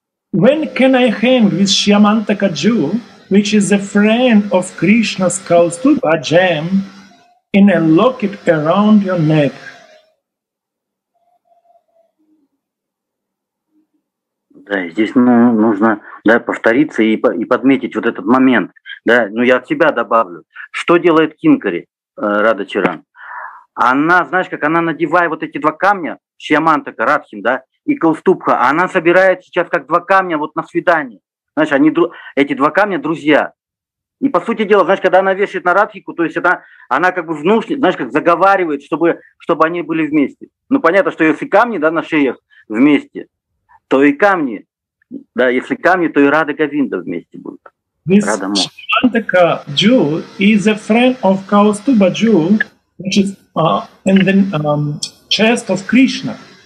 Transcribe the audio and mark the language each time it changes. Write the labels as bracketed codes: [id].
[en] When can I hang this Shyamantaka jewel, which is a friend of Krishna's Kaustubha gem, in a locket around your neck? [ru] Да, здесь ну, нужно, да, повториться и подметить вот этот момент. Да, ну я от себя добавлю. Что делает Кинкари, Рада Чаран? Она, знаешь, как она надевает вот эти два камня, Шьямантака, Радхин, да, и Кауступха, она собирает сейчас как два камня вот на свидание. Знаешь, они, эти два камня, друзья. И по сути дела, знаешь, когда она вешает на Радхику, то есть она как бы внушник, знаешь, как заговаривает, чтобы они были вместе. Ну понятно, что если камни, да, на шеях вместе, то и камни, да, если камни, то и Рада Говинда вместе будут. [en] This Shyamantaka jewel is a friend of Kaustubha jewel, which is in the chest of Krishna.